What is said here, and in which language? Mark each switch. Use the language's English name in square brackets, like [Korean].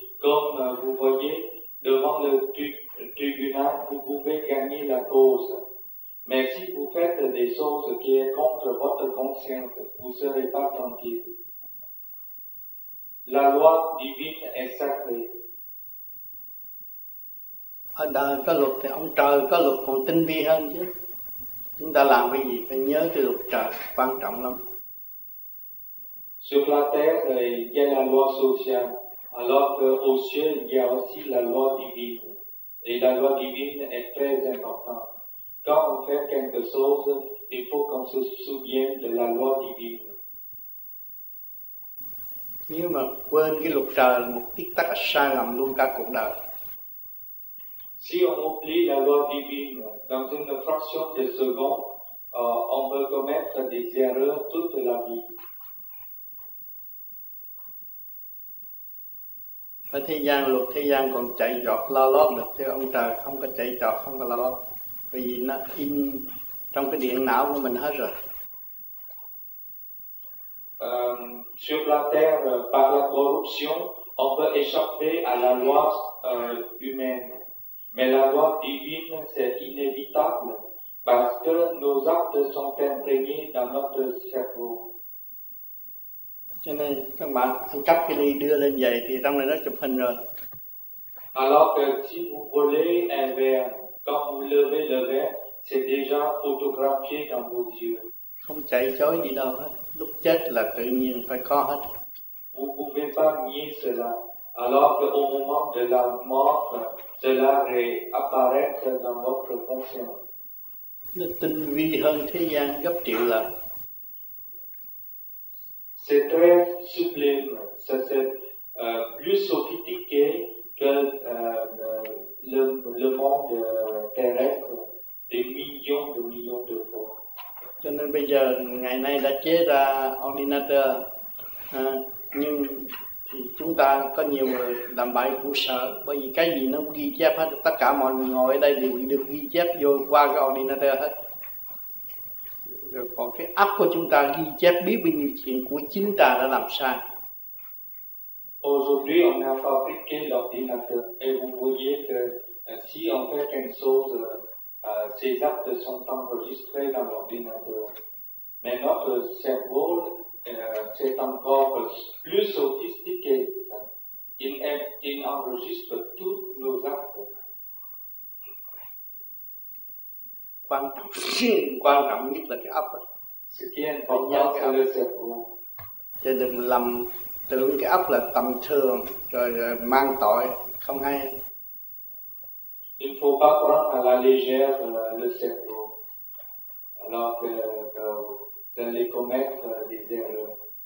[French] Comme vous voyez, devant le tribunal, vous pouvez gagner la cause. Mais si vous faites des choses qui sont contre votre conscience, vous ne serez pas tranquille. La loi divine est sacrée. [Vietnamese] Ở đời có luật thì ông trời có luật còn tinh vi hơn chứ. Chúng ta làm cái gì phải nhớ cái luật trời quan trọng lắm. [French] Sur la terre, il y a la loi sociale. Alors qu'au ciel, il y a aussi la loi divine. Et la loi divine est très importante. Quand on fait quelque chose, il faut qu'on se souvienne de la loi divine. [Vietnamese] Nếu mà quên cái luật trời là một tích tắc sai lầm luôn cả cuộc đời. [French] Si on oublie la loi divine dans une fraction de seconde, on peut commettre des erreurs toute la vie. [Vietnamese] Ở thế gian, luật thế gian còn chạy giọt lo lót được, chứ ông trời không có chạy giọt, không có lo lót. Bởi vì nó in trong cái điện não của mình hết rồi. [French] Sur la terre, par la corruption, on peut échapper à la loi humaine. Mais la loi divine, c'est inévitable, parce que nos actes sont imprégnés dans notre cerveau. [Vietnamese] Cho nên các bạn ăn cắp cái ly đưa lên vậy thì trong này nó chụp hình rồi. [French] Alors que si vous volez un verre, quand vous levez le verre, c'est déjà photographié dans vos yeux. [Vietnamese] Không chạy chối gì đâu hết. Lúc chết là tự nhiên phải có hết. [French] Vous pouvez pas nier cela. Alors que au moment de la mort, cela réapparaît dans votre conscience. [Vietnamese] Nó tinh vi hơn thế gian gấp triệu lần. [French] C'est très sublime, c'est plus sophistiqué que le monde terrestre, des millions de millions de fois. [Vietnamese] Cho nên bây giờ, ngày nay đã chế ra ordinateur, nhưng thì chúng ta có nhiều người làm bại khổ sở, bởi vì cái gì nó ghi chép hết, tất cả mọi người ngồi ở đây đều được ghi chép vô qua cái ordinateur hết. Còn cái óc của chúng ta ghi chép biết bao nhiêu chuyện của chính ta đã làm sai. [French] Aujourd'hui on a fabriqué l'ordinateur et vous voyez que si on fait quelque chose, ces actes sont enregistrés dans l'ordinateur. Mais notre cerveau c'est encore plus sophistiqué. Il enregistre tous nos actes. [Vietnamese] Quan trọng nhất là cái óc. Sự kiện phóng nhau cái óc. Chứ đừng lầm tưởng cái óc là tầm thường rồi mang tội, không hay. [French] Il ne faut pas prendre à la légère le cerveau. Alors que vous allez commettre des erreurs.